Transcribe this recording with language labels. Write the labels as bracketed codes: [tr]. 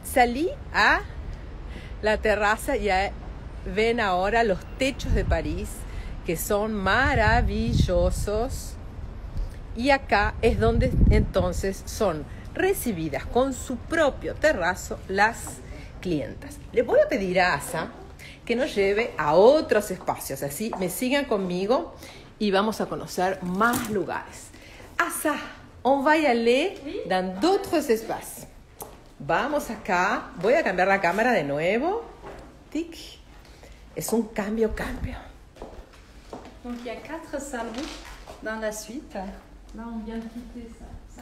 [es] Salí a la terraza y ven ahora los techos de París que son maravillosos y acá es donde entonces son recibidas con su propio terrazo las clientas. Le voy a pedir a Asa que nos lleve a otros espacios, así me sigan conmigo y vamos a conocer más lugares. [fr] Asa, on va y aller dans d'autres espacios. [es] Vamos acá, voy a cambiar la cámara de nuevo. Tic. Es un cambio, cambio. [fr] Donc il y a quatre salons dans la suite. Là on vient de quitter ça.